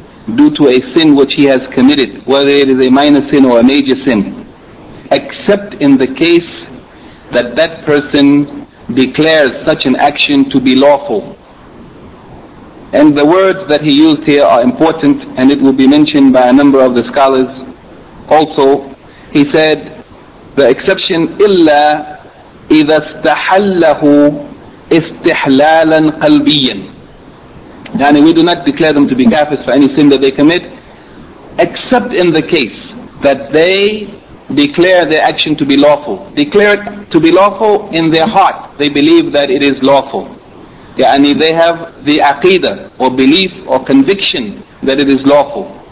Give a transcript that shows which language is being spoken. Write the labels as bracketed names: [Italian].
[English] due to a sin which he has committed, whether it is a minor sin or a major sin, except in the case that that person declares such an action to be lawful. And the words that he used here are important, and it will be mentioned by a number of the scholars also. He said, the exception, [Arabic] إِلَّا إِذَا اسْتَحَلَّهُ إِسْتِحْلَالًا قَلْبِيًّا. [English] Yani we do not declare them to be kafirs for any sin that they commit, except in the case that they declare their action to be lawful. Declare it to be lawful in their heart. They believe that it is lawful. Yani they have the aqidah or belief or conviction that it is lawful.